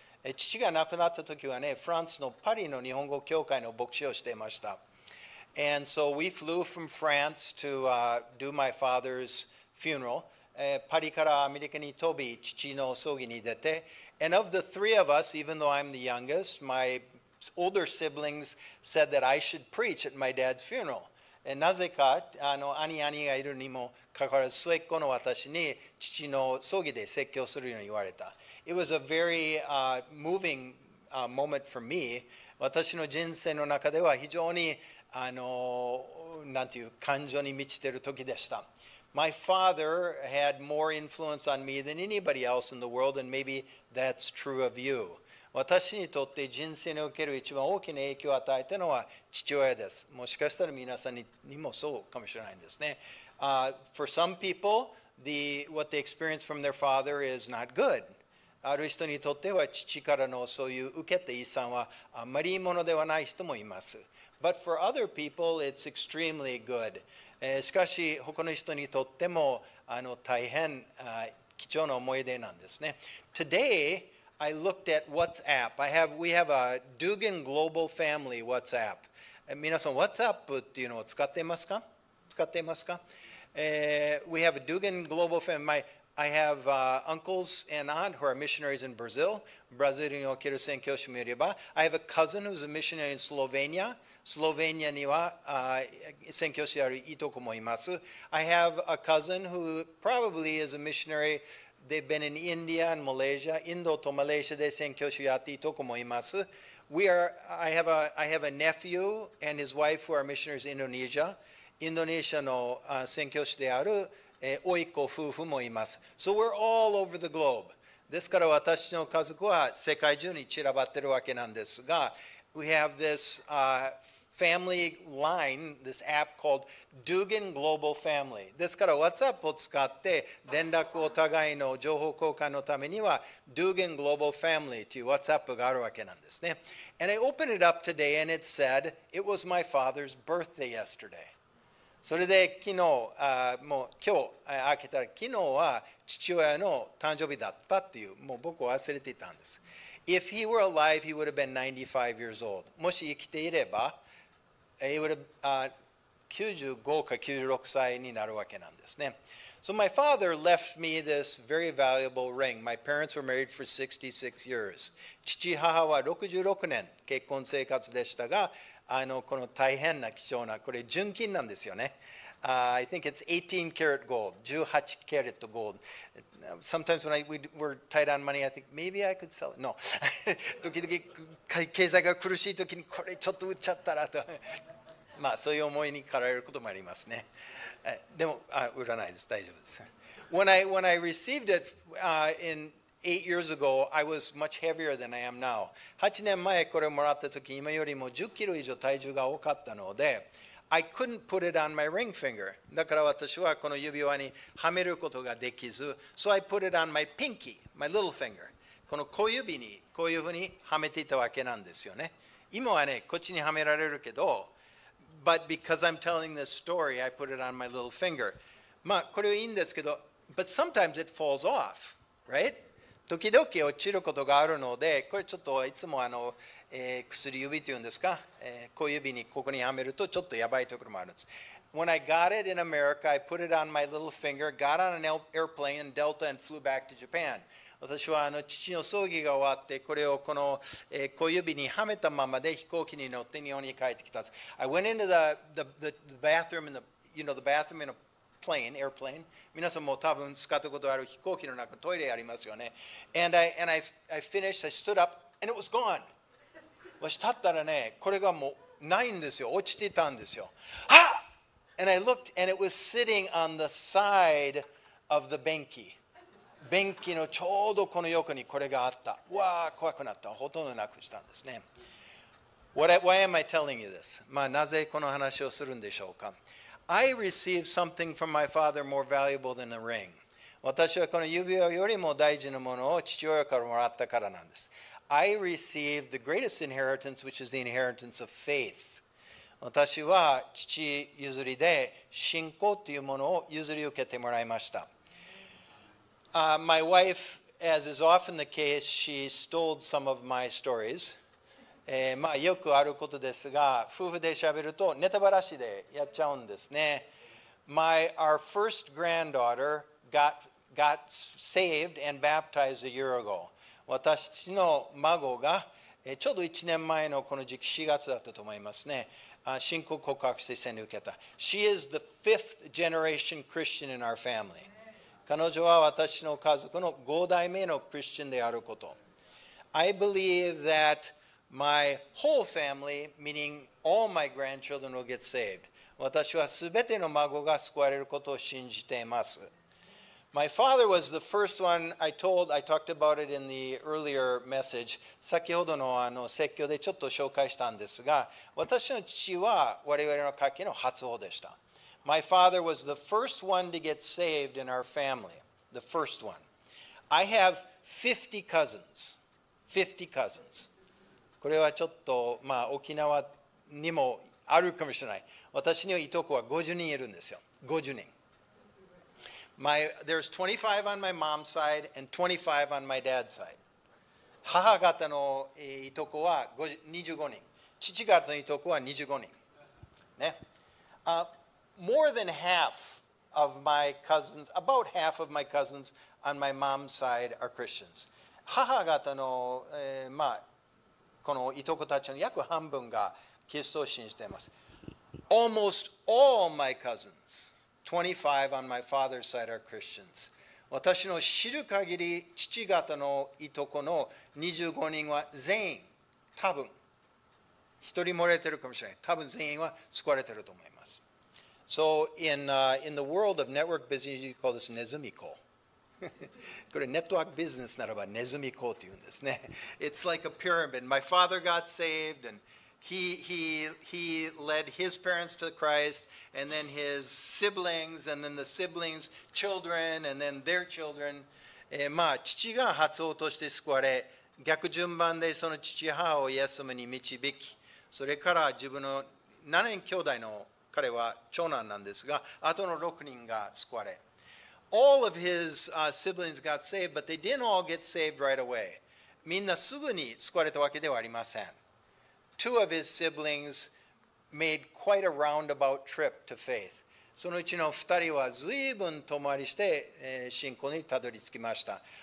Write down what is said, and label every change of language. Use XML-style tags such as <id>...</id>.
<ja>父が亡くなった時はね、フランスのパリの日本語教会の牧師をしていました。</ja> <en>And so we flew from France to do my father's funeral.</en> <ja>パリからアメリカに飛び、父の葬儀に出て、</ja> <en>And of the three of us, even though I'm the youngest, my older siblings said that I should preach at my dad's funeral.</en> <ja>And なぜか兄がいるにもかかわらず末っ子の私に父の葬儀で説教するように言われた。</ja> <en>It was a very moving moment for me.</en> <ja>私の人生の中では非常に感情に満ちている時でした。</ja> <en>My father had more influence on me than anybody else in the world, and maybe that's true of you.</en> <ja>私にとって人生における一番大きな影響を与えたのは父親です。もしかしたら皆さんにもそうかもしれないんですね。</ja> <en>For some people, what they experience from their father is not good.</en> <ja>ある人にとっては父からのそういう受けた遺産はあまりいいものではない人もいます。</ja> <en>But for other people, it's extremely good.</en> <ja>しかし他の人にとっても大変貴重な思い出なんですね。</ja> <en>Today,I looked at WhatsApp. We have a Dougan Global Family WhatsApp.</en> <ja>皆さん、WhatsApp っていうのを使っていますか?</ja> <en>We have a Dougan Global Family. My, I have uncles and aunt who are missionaries in Brazil. Brazil</en> <ja>における宣教師もいれば、</ja> <en>I have a cousin who's a missionary in Slovenia.</en> <ja>Slovenia には宣教師であるいとこもいます。</ja> <en>I have a cousin who probably is a missionary. They've been in India and Malaysia.</en> <ja>インドとマレーシアで宣教師をやっていとこもいます。</ja> <en>We are. I have a nephew and his wife who are missionaries in Indonesia.</en> <ja>インドネシアの宣教師である。おいこ夫婦もいます。</ja> <en>So we're all over the globe.</en> <ja>ですから私の家族は世界中に散らばってるわけなんですが、</ja> <en>we have this family line, this app called ドウゲン Global Family.</en> <ja>ですから WhatsApp を使って連絡お互いの情報交換のためにはドウゲン Global Family という WhatsApp があるわけなんですね。</ja> <en>And I opened it up today and it said, it was my father's birthday yesterday.</en> <ja>それで昨日、もう今日開けたら昨日は父親の誕生日だったっていう、もう僕は忘れていたんです。</ja> <en>If he were alive, he would have been 95 years old.</en> <ja>もし生きていれば、</ja> <en>he would have</en> <ja>95か96歳になるわけなんですね。</ja> <en>So my father left me this very valuable ring. My parents were married for 66 years.</en> <ja>父母は66年結婚生活でしたが、この大変な貴重な、これ純金なんですよね。</ja> <en>I think it's 18 carat gold, 18 carat gold. Sometimes when we were tight on money, I think maybe I could sell it. No.</en> <ja>時々経済が苦しい時にこれちょっと売っちゃったらと。まあそういう思いに駆られることもありますね。でも、売らないです。大丈夫です。</ja> <en>When I received it in 8 years ago, I was much heavier than I am now.</en> <ja>8年前これをもらった時、今よりも10キロ以上体重が多かったので、</ja> <en>I couldn't put it on my ring finger.</en> <ja>だから私はこの指輪にはめることができず、</ja> <en>So I put it on my pinky, my little finger.</en> <ja>この小指にこういうふうにはめていたわけなんですよね。今はね、こっちにはめられるけど、</ja> <en>But because I'm telling this story, I put it on my little finger.</en> <ja>まあこれはいいんですけど、</ja> <en>But sometimes it falls off, right?</en> <ja>時々落ちることがあるので、これちょっといつも薬指というんですか、小指にここにはめるとちょっとやばいところもあるんです。</ja> <en>When I got it in America, I put it on my little finger, got on an airplane in Delta and flew back to Japan.</en> <ja>私は父の葬儀が終わって、これをこの小指にはめたままで飛行機に乗って日本に帰ってきたんです。</ja> <en>I went into the bathroom in the, you know, the bathroom in aplane, airplane.</en> <ja>皆さんも多分使ったことある飛行機の中トイレありますよね。</ja> <en>And I finished, I stood up, and it was gone.</en> <ja>わし立ったらね、これがもうないんですよ。落ちてたんですよ。はっ!</ja> <en>And I looked, and it was sitting on the side of the 便器。</en> <ja>便器のちょうどこの横にこれがあった。わあ、怖くなった。ほとんどなくしたんですね。</ja> <en>Why am I telling you this?</en> <ja>まあなぜこの話をするんでしょうか?</ja> <en>I received something from my father more valuable than a ring.</en> <ja>私はこの指輪よりも大事なものを父親からもらったからなんです。</ja> <en>I received the greatest inheritance, which is the inheritance of faith.</en> <ja>私は父譲りで信仰というものを譲り受けてもらいました。</ja> <en>My wife, as is often the case, she stole some of my stories.</en> <ja>まあ、よくあることですが、夫婦でしゃべるとネタバラシでやっちゃうんですね。</ja> <en>Our first granddaughter got saved and baptized a year ago.</en> <ja>私の孫が、ちょうど1年前のこの時期、4月だったと思いますね。信仰告白して洗礼を受けた。</ja> <en>She is the fifth generation Christian in our family.</en> <ja>彼女は私の家族の5代目のクリスチャンであること。</ja> <en>I believe thatMy whole family, meaning all my grandchildren, will get saved.</en> <ja>私はすべての孫が救われることを信じています。</ja> <en>My father was the first one I talked about it in the earlier message.</en> <ja>先ほどの説教でちょっと紹介したんですが、私の父は我々の家系の初穂でした。</ja> <en>My father was the first one to get saved in our family. The first one. I have 50 cousins. 50 cousins.</en> <ja>これはちょっと、まあ、沖縄にもあるかもしれない。私にはいとこは50人いるんですよ。 50人。</ja> <en>There's 25 on my mom's side and 25 on my dad's side.</en> <ja>母方のいとこは25人。父方のいとこは25人。ね。</ja> <en>More than half of my cousins, about half of my cousins on my mom's side are Christians.</en> <ja>母方の、まあ、このいとこたちの約半分がキリストを信じています。</ja> <en>Almost all my cousins, 25 on my father's side are Christians.</en> <ja>私の知る限り父方のいとこの25人は全員、多分、一人漏れてるかもしれない。多分全員は救われてると思います。</ja> <en>So in the world of network business, you call this ネズミコ。</en> <ja>これネットワークビジネスならばネズミコって言うんですね。</ja> <en>It's like a pyramid. My father got saved and he led his parents to Christ and then his siblings and then the siblings' children and then their children.</en> <ja>まあ父が初夫として救われ、逆順番でその父母をイエス様に導き、それから自分の7人兄弟の彼は長男なんですが、後の6人が救われ。</ja> <en>All of his siblings got saved, but they didn't all get saved right away.</en> <ja>みんなすぐに救われたわけではありません。</ja> <en>Two of his siblings made quite a roundabout trip to faith.</en> <ja>そのうちの二人は随分遠回りして、信仰にたどり着きました。</ja>